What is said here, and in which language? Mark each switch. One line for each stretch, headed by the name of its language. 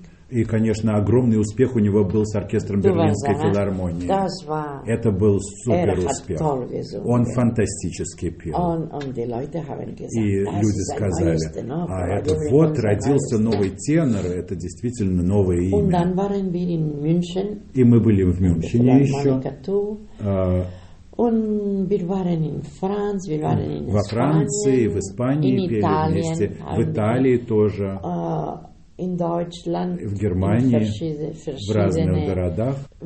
Russian: И, конечно, огромный успех у него был с оркестром Берлинской филармонии. Это был супер-успех. Он фантастически пел. И люди сказали, а это вот родился новый тенор, это действительно новое имя. И мы были в Мюнхене еще.
German: Und wir waren in France, wir waren in
Russian: во Франции, в Испании пели вместе, в Италии тоже.
German: In Deutschland,
Russian: в Германии, в разных городах.